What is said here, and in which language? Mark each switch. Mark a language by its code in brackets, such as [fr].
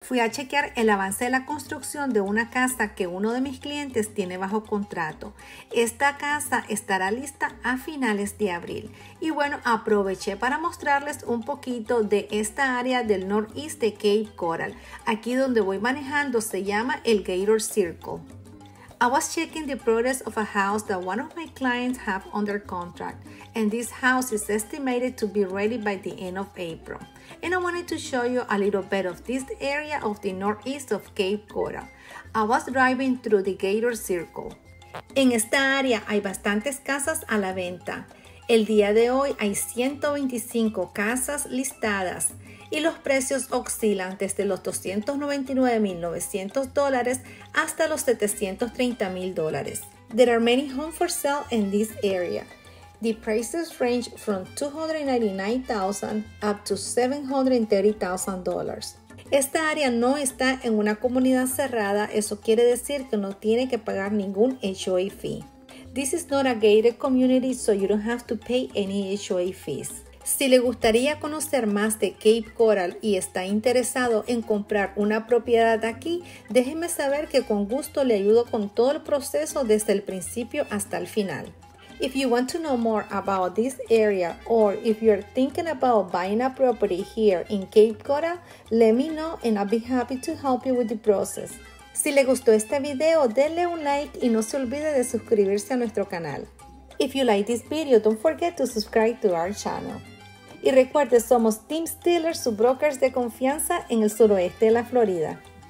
[es] fui a chequear el avance de la construcción de una casa que uno de mis clientes tiene bajo contrato. Esta casa estará lista a finales de abril. Y bueno, aproveché para mostrarles un poquito de esta área del noreste de Cape Coral. Aquí donde voy manejando se llama el Gator Circle. [en] I was checking the progress of a house that one of my clients have under contract, and this house is estimated to be ready by the end of April. And I wanted to show you a little bit of this area of the northeast of Cape Coral. I was driving through the Gator Circle. [es] En esta área hay bastantes casas a la venta. El día de hoy hay 125 casas listadas. Y los precios oscilan desde los $299,900 hasta los $730,000. [en] There are many homes for sale in this area. The prices range from $299,000 up to $730,000. [es] Esta área no está en una comunidad cerrada, eso quiere decir que no tiene que pagar ningún HOA fee. [en] This is not a gated community, so you don't have to pay any HOA fees. [es] Si le gustaría conocer más de Cape Coral y está interesado en comprar una propiedad aquí, déjeme saber que con gusto le ayudo con todo el proceso desde el principio hasta el final. [en] If you want to know more about this area or if you're thinking about buying a property here in Cape Coral, let me know and I'll be happy to help you with the process. [es] Si le gustó este video, denle un like y no se olvide de suscribirse a nuestro canal. [en] If you like this video, don't forget to subscribe to our channel. [es] Y recuerde, somos Team Steeler, sus brokers de confianza en el suroeste de la Florida.